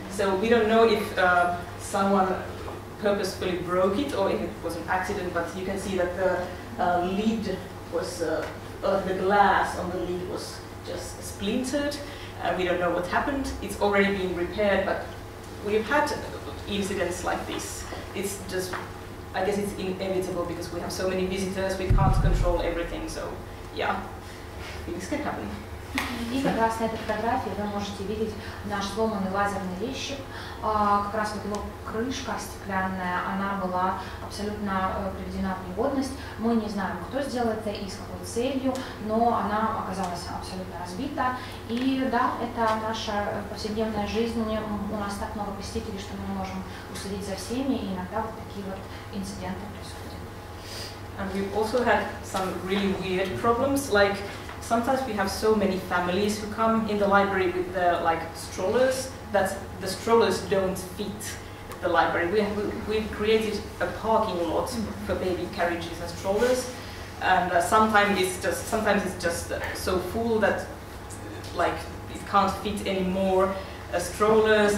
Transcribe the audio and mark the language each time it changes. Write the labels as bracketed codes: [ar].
[en] So we don't know if someone purposefully broke it or if it was an accident, but you can see that the lid was, the glass on the lid was just splintered. We don't know what happened. It's already been repaired, but we've had incidents like this. It's just, I guess it's inevitable because we have so many visitors, we can't control everything, so yeah, things can happen. [ru] И как раз на этой фотографии вы можете видеть наш сломанный лазерный резчик. Как раз вот его крышка стеклянная, она была абсолютно приведена в пригодность. Мы не знаем, кто сделал это и с какой целью, но она оказалась абсолютно разбита. И да, это наша повседневная жизнь. У нас так много посетителей, что мы не можем уследить за всеми, и иногда вот такие вот инциденты происходят. [en] And we've also had some really weird problems, like sometimes we have so many families who come in the library with their like strollers that the strollers don't fit the library. We've created a parking lot for baby carriages and strollers, and sometimes it's just so full that like it can't fit any more strollers.